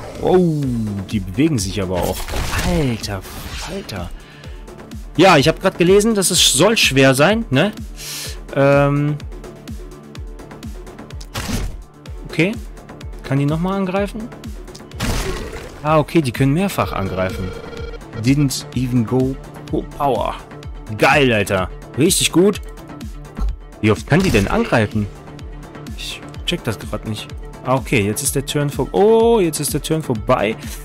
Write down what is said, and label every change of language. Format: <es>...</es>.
<de>Oh, die bewegen sich aber auch. Alter, Falter. Ja, ich habe gerade gelesen, dass es soll schwer sein, ne? Okay. Kann die nochmal angreifen? Ah, okay, die können mehrfach angreifen.</de> <en>Didn't even go full power.</en> <de>Geil, Alter. Richtig gut. Wie oft kann die denn angreifen? Ich check das gerade nicht. Ah, okay, jetzt ist der Turn vorbei. Oh, jetzt ist der Turn vorbei.</de>